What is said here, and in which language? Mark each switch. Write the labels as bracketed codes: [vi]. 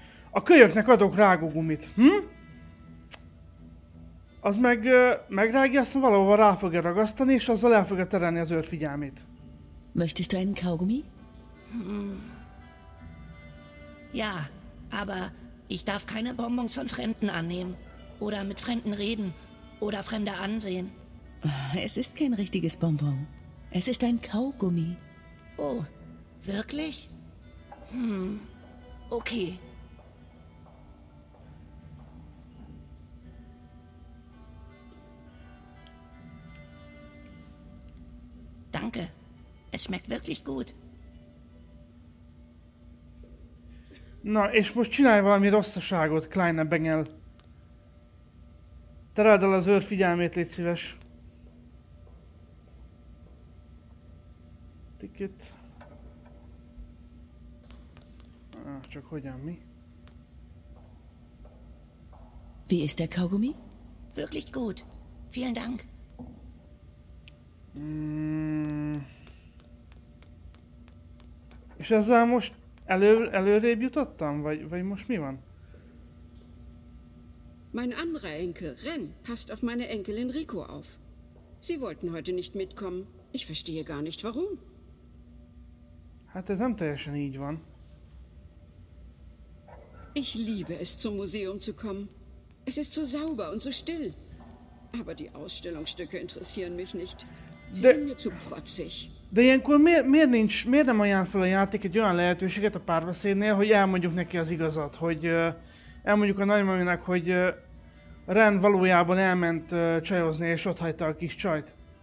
[hu] A kölyöknek adok rágógumit, Az megrágja, azt valahova rá fogja ragasztani, és azzal el fogja terelni az őr figyelmét. [de] Möchtest du einen Kaugummi? Ja, aber ich darf keine Bonbons von Fremden annehmen. Oder mit Fremden reden. Oder Fremde ansehen. Es ist kein richtiges Bonbon. Es ist ein Kaugummi. Oh, wirklich? Okay. Danke. Es schmeckt wirklich gut. Na, ich muss [hu] csinálj valami rosszaságot, [de] kleiner Bengel. [hu] Tereld el az őr figyelmét, légy szíves. [de] Ticket. [hu] Csak hogyan mi? [de] Wie ist der Kaugummi? Wirklich gut. Vielen Dank. [hu] És ezzel most előrébb jutottam? Vagy most mi van? [de] Mein anderer Enkel, Ren, passt auf meine Enkelin Rico auf. Sie wollten heute nicht mitkommen. Ich verstehe gar nicht, warum. Hat der Samtel schon nicht wann? Ich liebe es, zum Museum zu kommen. Es ist so sauber und so still. Aber die Ausstellungsstücke interessieren mich nicht. Sie sind mir zu protzig. [hu] De ilyenkor miért nem ajánl fel a játék egy olyan lehetőséget a párbeszédnél, hogy elmondjuk neki az igazat, hogy elmondjuk a nagymaminek, hogy Ren valójában elment csajozni, és ott hagyta a kis csajt.